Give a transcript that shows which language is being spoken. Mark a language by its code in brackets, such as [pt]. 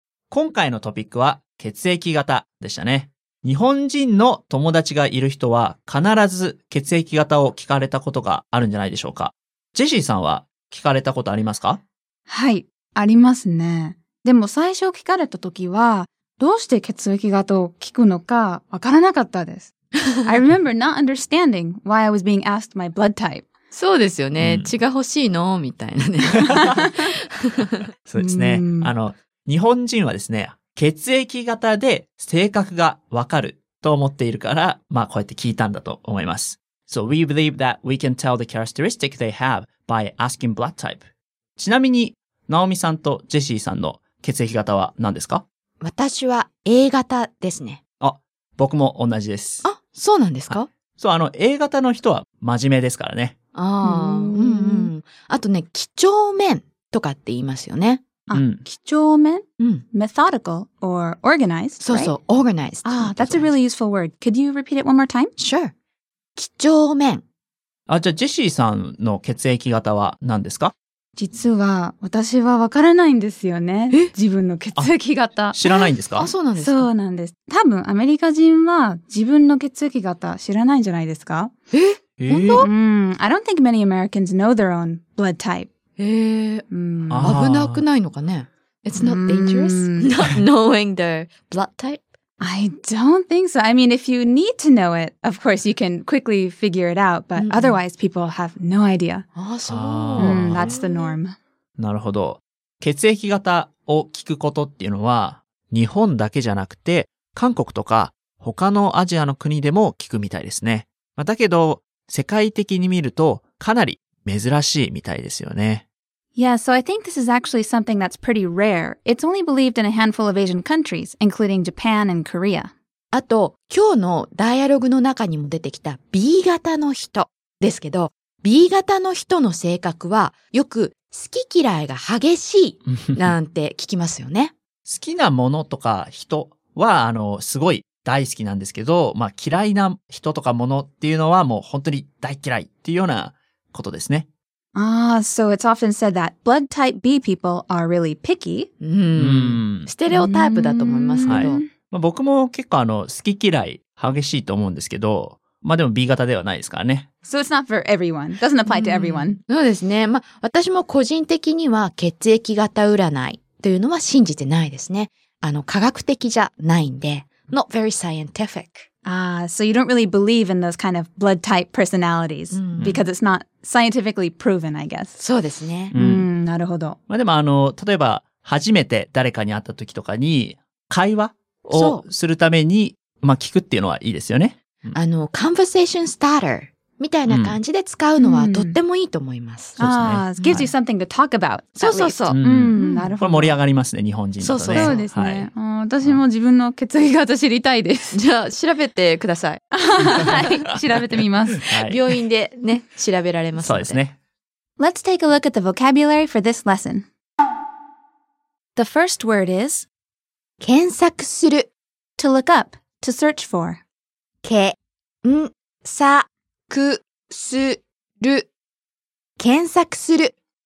[ja] 今回のトピックは血液型でしたね。日本人の友達がいる人は必ず血液型を聞かれたことがあるんじゃないでしょうか。ジェシーさんは聞かれたことありますか？はい、ありますね。でも最初聞かれた時は、どうして血液型を聞くのかわからなかったです。 [en] I remember not understanding why I was being asked my blood type. [ja] そうですよね。うん、血が欲しいのみたいなね。そうですね。日本人はですね、血液型で性格がわかると思っているから、まあこうやって聞いたんだと思います。 [en] So we believe that we can tell the characteristic they have by asking blood type. [ja] ちなみに、ナオミさんとジェシーさんの血液型は何ですか？私は A 型ですね。あ、僕も同じです。あ、そうなんですか？そう、A 型の人は真面目ですからね。ああ、あとね、几帳面とかって言いますよね。あ、几帳面？ [en] Methodical or organized, [ja] そうそう、 [en] right? organized. Ah, that's a really useful word. Could you repeat it one more time? Sure. 几帳面。 [ja] あ、じゃあジェシーさんの血液型は何ですか？実は私はわからないんですよね。自分の血液型知らないんですか？あ、そうなんですか。そうなんです。多分アメリカ人は自分の血液型知らないんじゃないですか？本当？ [en] I don't think many Americans know their own blood type. [ja] 危なくないのかね。 [en] It's not dangerous not knowing their blood type. I don't think so. I mean, if you need to know it, of course you can quickly figure it out, but otherwise people have no idea. That's the norm. [ja] なるほど。血液型を聞くことっていうのは、日本だけじゃなくて、韓国とか他のアジアの国でも聞くみたいですね。だけど、世界的に見るとかなり珍しいみたいですよね。 [en] Yeah, so I think this is actually something that's pretty rare. It's only believed in a handful of Asian countries, including Japan and Korea. [ja] あと、今日のダイアログの中にも出てきた B 型の人ですけど、B 型の人の性格はよく好き嫌いが激しいなんて聞きますよね。好きなものとか人はすごい大好きなんですけど、まあ嫌いな人とかものっていうのはもう本当に大嫌いっていうようなことですね。 [en] Ah, so it's often said that blood type B people are really picky. [ja] ステレオタイプだと思いますけど。はい、まあ、僕も結構好き嫌い激しいと思うんですけど、まあでも B 型ではないですからね。 [en] So it's not for everyone. Doesn't apply to everyone. [ja] そうですね。まあ私も個人的には血液型占いというのは信じてないですね。科学的じゃないんで。 [en] Not very scientific. Ah, so you don't really believe in those kind of blood type personalities because it's not scientifically proven, I guess. [ja] そうですね。なるほど。まあでも例えば初めて誰かに会った時とかに会話をするためにまあ聞くっていうのはいいですよね。 conversation starter みたいな感じで使うのはとってもいいと思います。そうですね。 [en] Ah, gives you something to talk about. [ja] そうそうそう。なるほど。これ盛り上がりますね、日本人だとね。そうですね。はい、私も自分の血液型知りたいです。じゃあ、調べてください。はい。調べてみます。はい、病院でね、調べられますので。そうですね。 [en] Let's take a look at the vocabulary for this lesson. The first word is [ja] 検索する [en] To look up, to search for. [ja] 検索する検索する